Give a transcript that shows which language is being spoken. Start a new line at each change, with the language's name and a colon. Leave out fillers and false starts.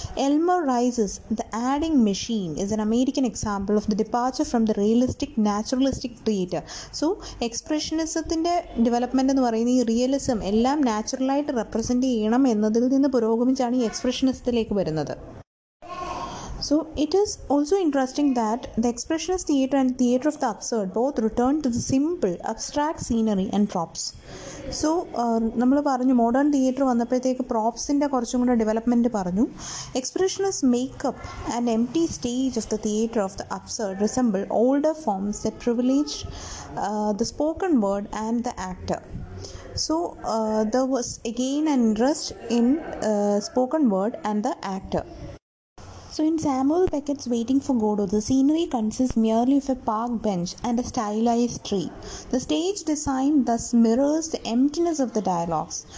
English: Elmer Rice's the adding machine is an American example of the departure from the realistic naturalistic theatre.
Malayalam: So എക്സ്പ്രഷനിസത്തിൻ്റെ development എന്ന് പറയുന്നത് ഈ realism എല്ലാം നാച്ചുറലായിട്ട് represent ചെയ്യണം എന്നതിൽ നിന്ന് പുരോഗമിച്ചാണ് ഈ എക്സ്പ്രഷനിസത്തിലേക്ക് വരുന്നത്.
English: So it is also interesting that the expressionist theater and theater of the absurd both return to the simple abstract scenery and props.
Malayalam: So നമ്മൾ പറഞ്ഞു മോഡേൺ തിയേറ്റർ വന്നപ്പോഴത്തേക്ക് പ്രോപ്സിൻ്റെ കുറച്ചും കൂടെ ഡെവലപ്മെൻറ്റ് പറഞ്ഞു.
English: Expressionists makeup and empty stage of the theatre of the absurd resemble older forms the privilege the spoken word and the actor. So there was again an interest in spoken word and the actor. So in Samuel Beckett's Waiting for Godot, the scenery consists merely of a park bench and a stylized tree. The stage design thus mirrors the emptiness of the dialogues.